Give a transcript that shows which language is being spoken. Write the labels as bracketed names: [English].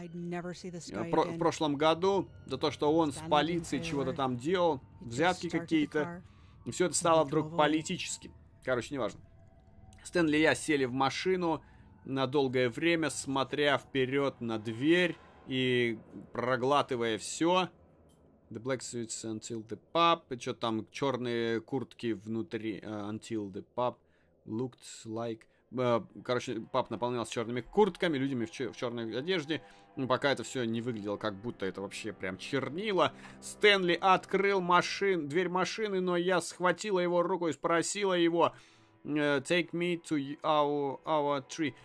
[Russian] в прошлом году за то, что он с полицией чего-то там делал. Взятки какие-то. И все это стало вдруг политическим. Короче, неважно. Стэнли и я сели в машину на долгое время, смотря вперед на дверь и проглатывая все. [English] The black suits until the pub. [Russian] И что там, черные куртки внутри [English] until the pub looked like... [Russian] Короче, паб наполнялся черными куртками, людьми в черной одежде. Но пока это все не выглядело, как будто это вообще прям чернила. Стэнли открыл дверь машины, но я схватила его руку и спросила его: [English] Take me to our tree.